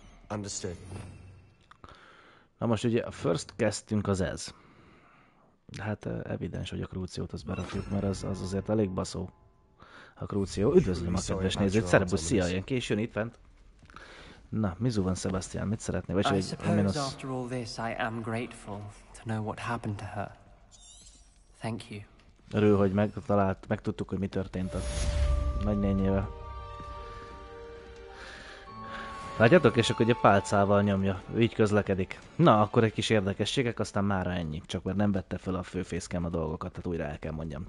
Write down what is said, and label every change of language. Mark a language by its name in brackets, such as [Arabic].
[English] Understood. [Hungarian] Na most ugye a first questünk az ez. Hát evidens, hogy a krúciót az berakjuk, mert az azért elég baszó. A krúció. Üdvözlöm a kedves nézőt, szerbusz, szia, ilyen későn itt fent. Na, mizu van Sebastian, mit szeretné? Vagy egy minusz. [English] I suppose after all this I am grateful to know what happened to her. Thank you. [Hungarian] Örül, hogy megtalált, megtudtuk, hogy mi történt a nagynényével. Látjátok? És akkor ugye pálcával nyomja, így közlekedik. Na, akkor egy kis érdekességek, aztán mára ennyi. Csak mert nem vette fel a főfészkem a dolgokat, tehát újra el kell mondjam.